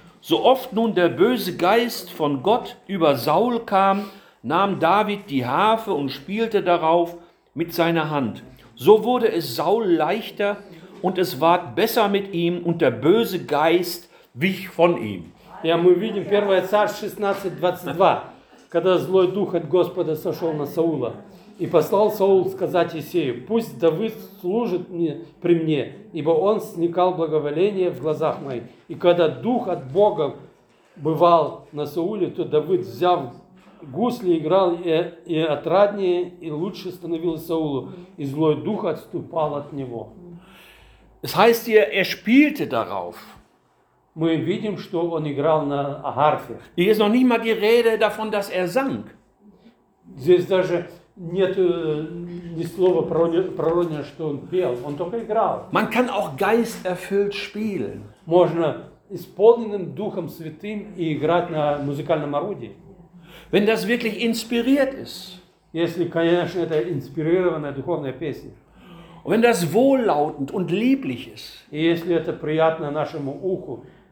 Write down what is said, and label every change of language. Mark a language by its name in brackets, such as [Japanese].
[German] So oft nun der böse Geist von Gott über Saul kam, nahm David die Harfe und spielte darauf mit seiner Hand. So wurde es Saul leichter und es ward besser mit ihm und der böse Geist wich von ihm. Ja, wir sehen 1. Samuel 16, 22. [Russian] Когда злой дух от Господа сошел на Саула, и послал Саул сказать Исею: «Пусть Давид служит мне при мне, ибо он сникал благоволение в глазах моих». И когда дух от Бога бывал на Сауле, то Давид, взяв гусли, играл и отраднее, и лучше становился Саулу, и злой дух отступал от него. [German] Es heißt hier, er spielte darauf. [Russian] Мы видим, что он играл на гарфе. [German] Hier ist noch nicht mal die Rede davon, dass er sang. [Russian] Здесь даже нет ни слова пророчества, что он пел. Он только играл. [German] Man kann auch geisterfüllt spielen. [Russian] Можно исполненным Духом Святым и играть на музыкальном орудии. [German] Wenn das wirklich inspiriert ist. [Russian] Если, конечно, это инспирированная духовная песня. [German] Und wenn das wohllautend und lieblich ist. [Russian] И если это приятно нашему уху.